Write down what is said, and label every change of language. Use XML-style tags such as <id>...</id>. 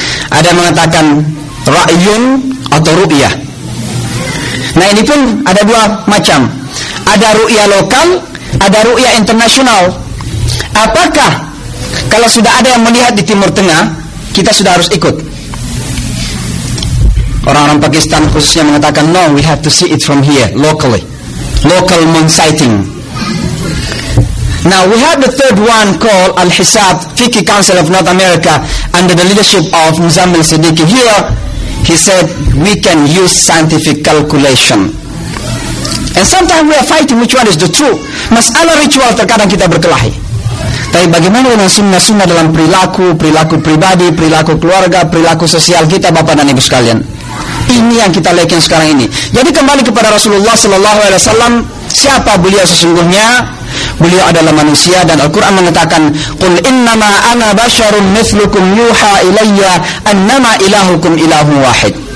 <id>Ada mengatakan ra'yun atau ru'yah. Nah, ini pun ada 2 macam. Ada ru'yah lokal, ada ru'ya internasional. Apakah kalau sudah ada yang melihat di Timur Tengah, kita sudah harus ikut? Orang-orang Pakistan khususnya mengatakan,</id> <en>no, we have to see it from here, locally. Local moon sighting. Now, we have the third one called Al-Hisab, Fiqh Council of North America, under the leadership of Muzammil Siddiqui. Here, he said, we can use scientific calculation. And sometimes we are fighting which one is the truth.</en> <id>Masalah ritual terkadang kita berkelahi. Tapi bagaimana dengan sunnah-sunnah dalam perilaku, perilaku pribadi, perilaku keluarga, perilaku sosial kita, Bapak dan Ibu sekalian? Ini yang kita lakukan sekarang ini. Jadi kembali kepada Rasulullah Sallallahu Alaihi Wasallam, siapa beliau sesungguhnya? Beliau adalah manusia dan Al-Quran mengatakan,</id> <ar>قُلْ إِنَّمَا أَنَا بَشَرٌ مِثْلُكُمْ يُوحَى إِلَيَّ أَنَّمَا إِلَهُكُمْ إِلَهُ وَاحِدٌ.</ar>